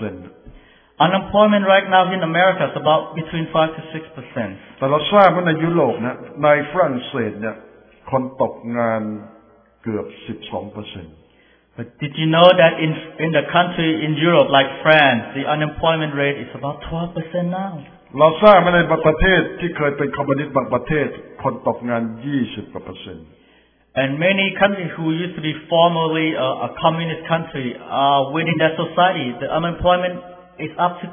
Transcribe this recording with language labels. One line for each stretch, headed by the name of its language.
English: 5-6% Unemployment right now in America is about between 5-6%
Thai: แต่เราทราบว่าในยุโรปนะในฝรั่งเศสเนี่ยคนตกงานเกือบ 12%
English: But did you know that in the country in Europe like France the unemployment rate is about 12% now
Thai: เราทราบว่าในประเทศที่เคยเป็นคอมมิวนิสต์บางประเทศคนตกงาน 20%
English: And many countries who used to be formerly a communist country are within that society. The unemployment is up to